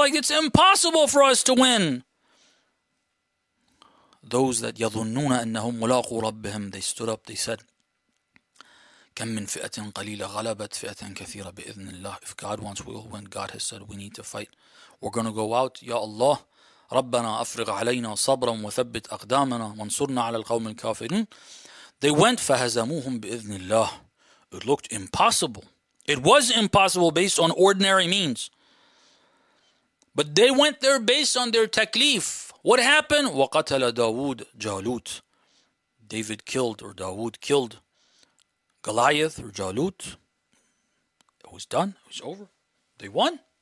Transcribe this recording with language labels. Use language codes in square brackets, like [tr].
[en] Like, it's impossible for us to win. Those that [ar] yadhunnuna annahum mulaqu rabbihim, [en] they stood up, they said, [ar] كَمْ مِنْ فِئَةٍ قَلِيلَةٍ غَلَبَتْ فِئَةً كَثِيرَةً بِإِذْنِ اللَّهِ. [en] If God wants, we will win. God has said, we need to fight. We're going to go out. [ar] Ya Allah, رَبَّنَا أَفْرِغْ عَلَيْنَا صَبْرًا وَثَبِّتْ أَقْدَامَنَا وَانْصُرْنَا عَلَى الْقَوْمِ الْكَافِرِينَ. [en] They went, [ar] فَهَزَمُوهُمْ بِإِذْنِ اللَّهِ. [en] It looked impossible. It was impossible based on ordinary means. But they went there based on their taklif. What happened? [ar] وَقَتَلَ دَاوُدْ جَالُوتْ. [en] David killed, or Dawood killed, Goliath or Jalut. It was done. It was over. They won.